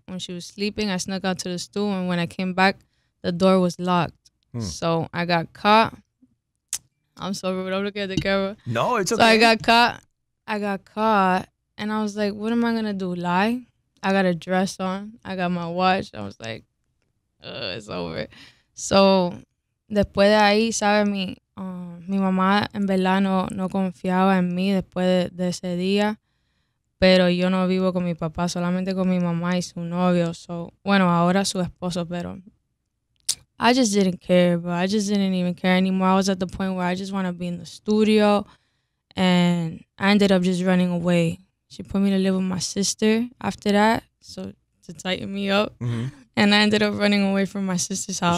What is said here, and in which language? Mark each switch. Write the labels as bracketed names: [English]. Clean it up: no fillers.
[English] When she was sleeping, I snuck out to the studio, and when I came back, the door was locked. So I got caught. I'm sorry, but I'm looking at the camera. No, it's okay. So I got caught, and I was like, what am I going to do, lie? I got a dress on. I got my watch. I was like, it's over. [Spanish] So, después de ahí, sabe mi, mi mamá en verdad no confiaba en mí después de ese día. Pero yo no vivo con mi papá, solamente con mi mamá y su novio. [English] So, [Spanish] bueno, ahora su esposo, pero [English] I just didn't care, bro. I just didn't even care anymore. I was at the point where I just want to be in the studio. And I ended up just running away. She put me to live with my sister after that, so to tighten me up. Mm-hmm. And I ended up running away from my sister's house.